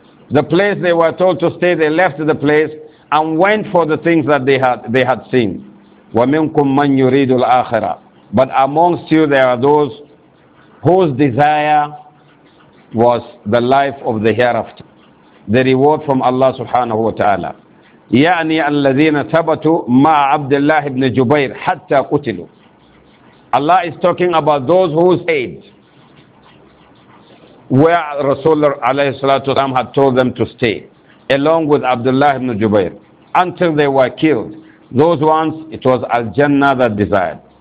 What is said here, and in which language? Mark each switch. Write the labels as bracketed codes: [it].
[en] The place they were told to stay, they left the place and went for the things that they had seen. [ar] وَمِنْكُمْ مَنْ يُرِيدُ الْآخِرَةِ. [en] But amongst you there are those whose desire was the life of the hereafter, the reward from Allah subhanahu wa ta'ala. [ar] يعني الذين ثبتوا مع عبد الله بن جبير حتى قتلوا. [en] Allah is talking about those who stayed where Rasulullah [ar] عليه الصلاة والسلام [en] had told them to stay, along with Abdullah ibn Jubair, until they were killed. Those ones, it was Al-Jannah that desired.